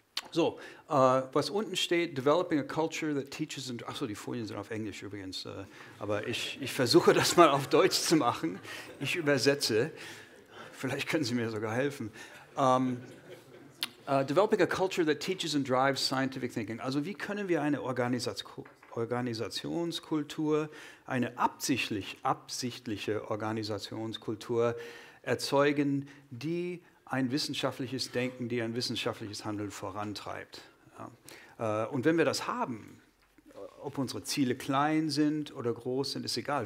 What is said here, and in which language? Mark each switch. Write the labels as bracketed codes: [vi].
[de] So, was unten steht, [en] developing a culture that teaches, [de] achso, die Folien sind auf Englisch übrigens, aber ich versuche das mal auf Deutsch zu machen. Ich übersetze. Vielleicht können Sie mir sogar helfen. [en] Developing a culture that teaches and drives scientific thinking. [de] Also wie können wir eine Organisationskultur, eine absichtliche Organisationskultur erzeugen, die ein wissenschaftliches Denken, die ein wissenschaftliches Handeln vorantreibt. Ja. Und wenn wir das haben, ob unsere Ziele klein sind oder groß sind, ist egal.